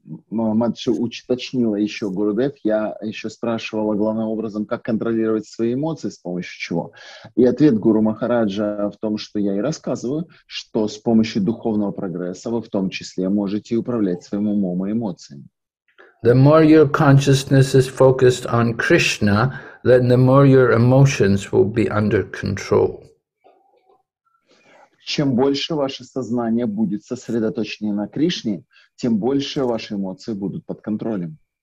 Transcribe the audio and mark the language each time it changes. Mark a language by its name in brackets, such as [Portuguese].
[Russian] Матши уточнила еще, Гурудев, я еще спрашивала главным образом, как контролировать свои эмоции, с помощью чего. И ответ Гуру Махараджа в том, что я и рассказываю, что с помощью духовного прогресса вы в том числе можете управлять своим умом и эмоциями. [English] The more your consciousness is focused on Krishna, then the more your emotions will be under control. [Russian] Чем больше ваше сознание будет сосредоточено на Кришне, тем больше ваши эмоции будут под контролем.